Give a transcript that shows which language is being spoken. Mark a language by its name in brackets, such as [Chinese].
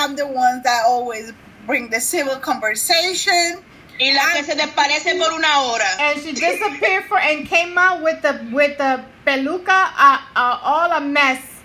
[English] I'm the one that always bring the civil conversation. [Spanish] Y la que se desaparece por una hora. [English] And she disappeared for and came out with the peluca all a mess.